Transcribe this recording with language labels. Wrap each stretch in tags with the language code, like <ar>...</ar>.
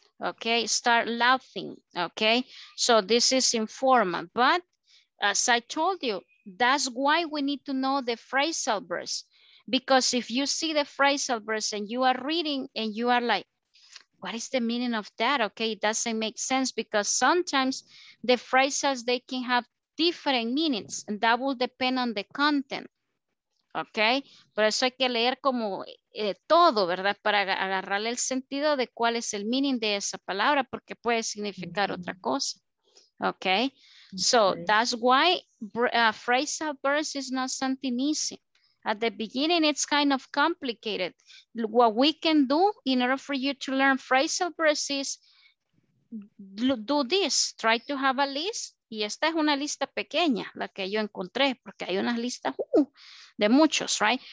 <en>Okay, start laughing. Okay, so this is informal, but as I told you, that's why we need to know the phrasal verbs. Because if you see the phrasal verbs and you are reading and you are like, what is the meaning of that? Okay, it doesn't make sense, because sometimes the phrasals, they can have different meanings, and that will depend on the content.</en> <es>Okay, por eso hay que leer como todo, ¿verdad? Para agarrarle el sentido de cuál es el meaning de esa palabra, porque puede significar mm-hmm. otra cosa.</es> <en>Okay, so that's why phrasal verbs is not something easy. At the beginning, it's kind of complicated. What we can do in order for you to learn phrasal verbs is do this. Try to have a list.</en> <es>Y esta es una lista pequeña, la que yo encontré, porque hay unas listas de muchos, right?</es>